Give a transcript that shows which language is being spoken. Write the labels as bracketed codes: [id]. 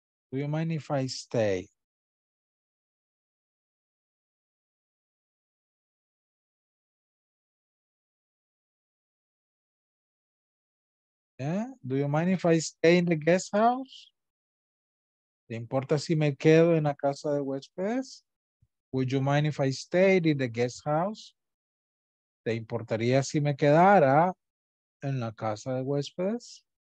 [en] Do you mind if I stay? Yeah, do you mind if I stay in the guest house? [es] ¿Te importa si me quedo en la casa de huéspedes? [en] Would you mind if I stayed in the guest house? [es] ¿Te importaría si me quedara en la casa de huéspedes?